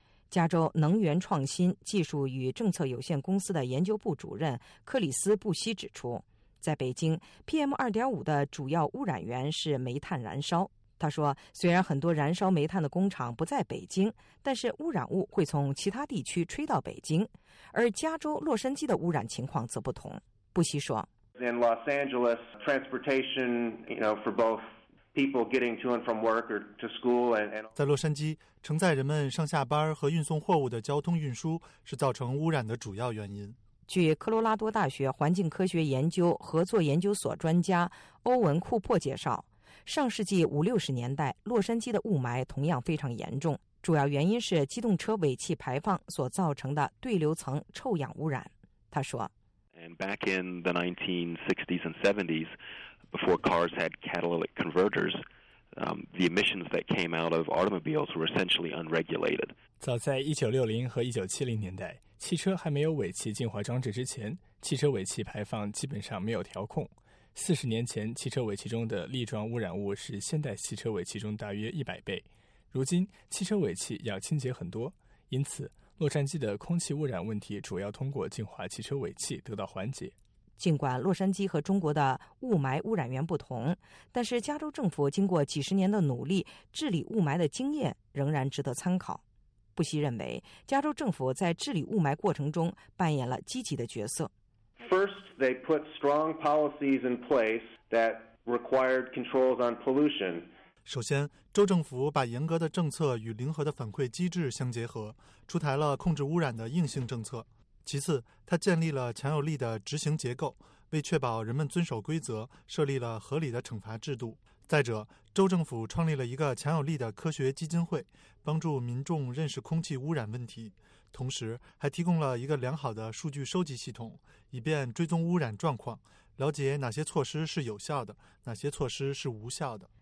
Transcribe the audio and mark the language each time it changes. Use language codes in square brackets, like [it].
[zh] 加州能源创新技术与政策有限公司的研究部主任克里斯·布希指出，在北京 PM2.5 的主要污染源是煤炭燃烧。他说，虽然很多燃烧煤炭的工厂不在北京，但是污染物会从其他地区吹到北京，而加州洛杉矶的污染情况则不同。布希说， [en] In Los Angeles, transportation, you know, for both people getting to and from work or to school and [zh] 在洛杉矶，承载人们上下班和运送货物的交通运输是造成污染的主要原因。据科罗拉多大学环境科学研究合作研究所专家欧文·库珀介绍，上世纪五六十年代，洛杉矶的雾霾同样非常严重，主要原因是机动车尾气排放所造成的对流层臭氧污染。他说， [en] And back in the 1960s and 70s, before cars had catalytic converters, the emissions that came out of automobiles were essentially unregulated. [zh] 早在1960和1970年代，汽车还没有尾气净化装置之前，汽车尾气排放基本上没有调控。四十年前，汽车尾气中的粒状污染物是现代汽车尾气中大约100倍。如今，汽车尾气要清洁很多，因此，洛杉矶的空气污染问题主要通过净化汽车尾气得到缓解。尽管洛杉矶和中国的雾霾污染源不同，但是加州政府经过几十年的努力，治理雾霾的经验仍然值得参考。布希认为，加州政府在治理雾霾过程中扮演了积极的角色。 [en] First, they put strong policies in place that required controls on pollution. [zh] 首先，州政府把严格的政策与灵活的反馈机制相结合，出台了控制污染的硬性政策。其次，它建立了强有力的执行结构，为确保人们遵守规则，设立了合理的惩罚制度。再者，州政府创立了一个强有力的科学基金会，帮助民众认识空气污染问题，同时还提供了一个良好的数据收集系统，以便追踪污染状况，了解哪些措施是有效的，哪些措施是无效的。